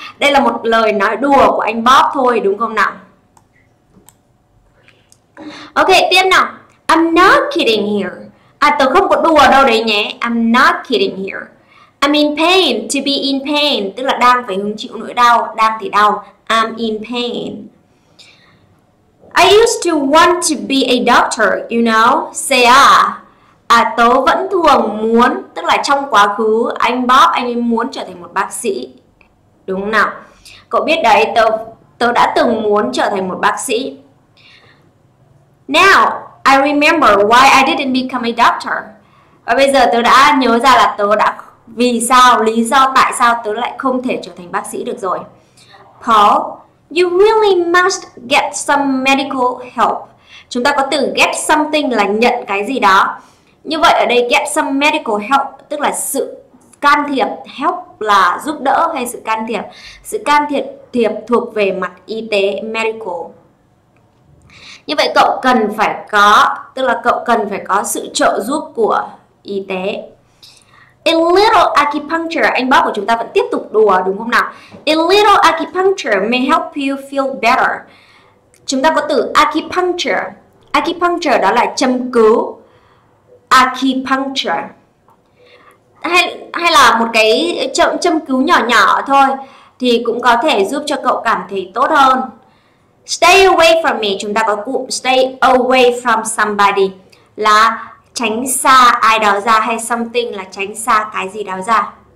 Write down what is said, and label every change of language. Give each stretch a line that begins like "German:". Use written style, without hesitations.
Vietnamese: Đây là một lời nói đùa của anh Bob thôi, đúng không nào? Ok, tiếp nào.
English: I'm not kidding here.
Vietnamese: À, tớ không có đùa đâu đấy nhé.
English: I'm not kidding here. I'm in pain, to be in pain,
Vietnamese: tức là đang phải hứng chịu nỗi đau, đang thì đau.
English: I'm in pain. I used to want to be a doctor, you know, say ah.
Vietnamese: À, tớ vẫn thường muốn, tức là trong quá khứ, anh Bob, anh ấy muốn trở thành một bác sĩ. Đúng không nào? Cậu biết đấy, tớ đã từng muốn trở thành một bác sĩ.
English: Now, I remember why I didn't become a doctor.
Vietnamese: Và bây giờ tớ đã nhớ ra là tớ đã, vì sao, lý do tại sao tớ lại không thể trở thành bác sĩ được rồi.
English: Paul, you really must get some medical help.
Vietnamese: Chúng ta có từ get something là nhận cái gì đó. Như vậy ở đây
English: get some medical help
Vietnamese: tức là sự can thiệp. Help là giúp đỡ hay sự can thiệp. Sự can thiệp thuộc về mặt y tế, medical. Như vậy cậu cần phải có, tức là cậu cần phải có sự trợ giúp của y tế.
English: A little acupuncture,
Vietnamese: anh Bob của chúng ta vẫn tiếp tục đùa đúng không nào?
English: A little acupuncture may help you feel better.
Vietnamese: Chúng ta có từ acupuncture. Acupuncture đó là châm cứu. Acupuncture. Hay là một cái châm cứu nhỏ nhỏ thôi thì cũng có thể giúp cho cậu cảm thấy tốt hơn.
English: Stay away from me,
Vietnamese: chúng ta có cụm stay away from somebody là tránh xa ai đó ra, hay something là tránh xa cái gì đó ra.